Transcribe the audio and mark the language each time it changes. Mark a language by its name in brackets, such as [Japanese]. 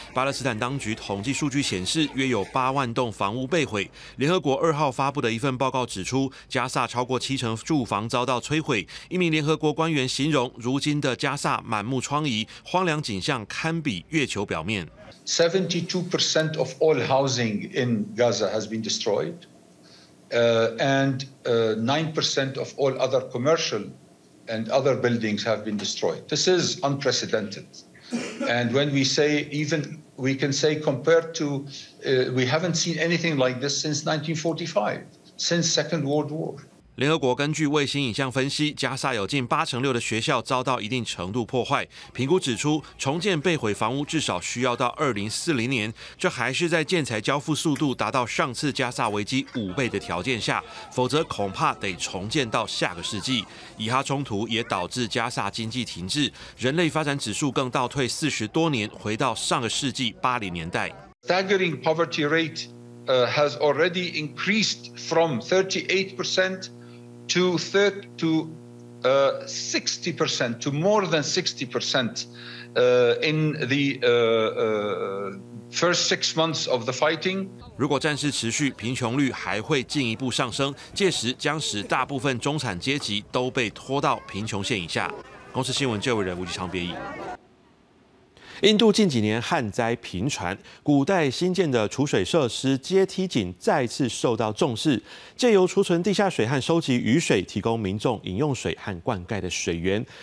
[Chinese] 巴勒斯坦当局统计数据显示，约有8万栋房屋被毁。联合国二号发布的一份报告指出，加萨超过70%住房遭到摧毁。一名联合国官员形容，如今的加萨满目疮痍，荒凉景象堪比月球表面。 [English] 72% of all housing in Gaza has been destroyed, and 9% of all other commercial. And other buildings have been destroyed. This is unprecedented. And when we say, even we can say, compared to, we haven't seen anything like this since 1945, since Second World War. [Chinese] 联合国根据卫星影像分析，加萨有近86%的学校遭到一定程度破坏。评估指出，重建被毁房屋至少需要到2040年，这还是在建材交付速度达到上次加萨危机5倍的条件下，否则恐怕得重建到下个世纪。以哈冲突也导致加萨经济停滞，人类发展指数更倒退40多年，回到上个世纪80年代。 [English] Staggering poverty rate has already increased from 38%. 60%, to more than 60%, in the first 6 months of the fighting. [Chinese] 如果战事持续，贫穷率还会进一步上升，届时将使大部分中产阶级都被拖到贫穷线以下。公视新闻这位人吴吉昌编译。印度近几年旱灾频传，古代新建的储水设施阶梯井再次受到重视，借由储存地下水和收集雨水，提供民众饮用水和灌溉的水源。